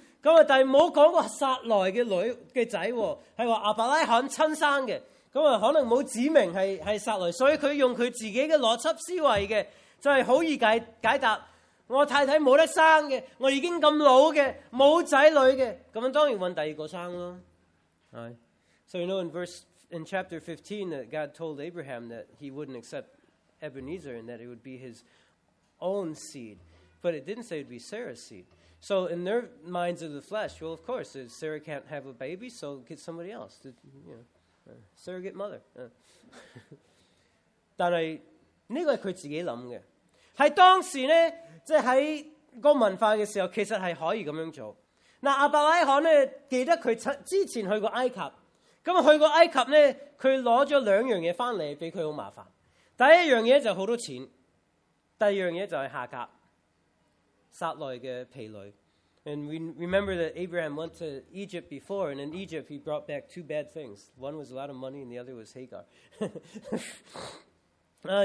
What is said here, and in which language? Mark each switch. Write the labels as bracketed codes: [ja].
[yue] 咁啊，但系冇讲过撒来嘅女嘅仔、哦，系话亚伯拉罕亲生嘅，咁啊可能冇指明系撒来，所以佢用佢自己嘅逻辑思维嘅，就系好易解答。我太太冇得生嘅，我已经咁老嘅，冇仔女嘅，咁样当然揾第二个生咯。 [en] So you know in chapter 15 that God told Abraham that he wouldn't accept Ebenezer and that it would be his own seed, but it didn't say it'd be Sarah's seed. So in their minds of the flesh, well, of course, Sarah can't have a baby, so get somebody else, to, you know, surrogate mother. [yue] 但系呢个系佢自己谂嘅，喺当时咧。即系喺个文化嘅时候，其实系可以咁样做。嗱，亚伯拉罕咧，记得佢之前去过埃及，咁去过埃及咧，佢攞咗两样嘢翻嚟，俾佢好麻烦。第一样嘢就好多钱，第二样嘢就系夏甲，撒来嘅婢女。 [en] And we remember that Abraham went to Egypt before, and in Egypt he brought back two bad things. One was a lot of money, and the other was Hagar.